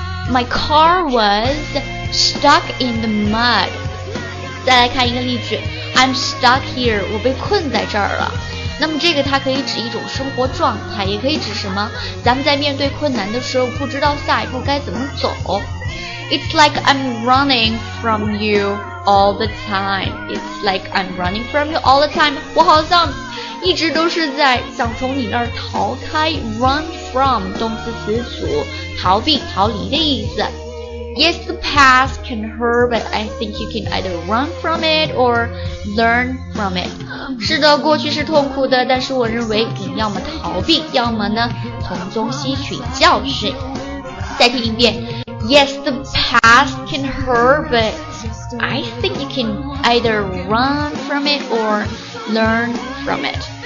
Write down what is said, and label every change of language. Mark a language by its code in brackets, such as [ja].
[en] My car was stuck in the mud。 [zh] 再来看一个例句， [en] I'm stuck here， [zh] 我被困在这儿了。那么这个它可以指一种生活状态，也可以指什么，咱们在面对困难的时候不知道下一步该怎么走。 [en] It's like I'm running from you all the time， It's like I'm running from you all the time， [zh] 我好像一直都是在想从你那儿逃开。 Run from 动词词组，逃避逃离的意思。 [en] Yes, the past can hurt, but I think you can either run from it or learn from it. [zh] 是的，过去是痛苦的，但是我认为你要么逃避，要么呢，从中吸取教训。再听一遍。 [en] Yes, the past can hurt, but I think you can either run from it or learn from it.